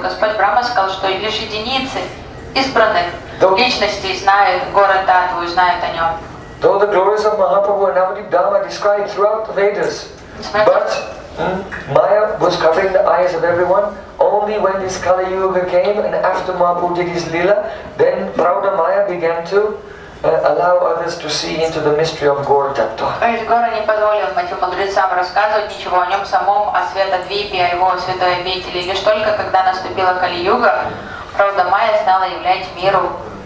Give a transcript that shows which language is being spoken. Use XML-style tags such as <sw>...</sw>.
<ru>Господь Брахма сказал, что лишь единицы избранных личностей знают город Татву и знают о нем.</ru> <en>Though the glories of Mahaprabhu and Navadvip Dham are described throughout the Vedas, but Maya was covering the eyes of everyone. Only when this Kali Yuga came and after Mahaprabhu did his lila, then Prauda Maya began to allow others to see into the mystery of Gaura Tattva.</en> <ru>Гора не позволил этим мудрецам рассказывать ничего о нем самом, о Светодвипе, о его святой обители. Лишь только когда наступила Кали Юга, Прауда Майя стала являть миру</ru>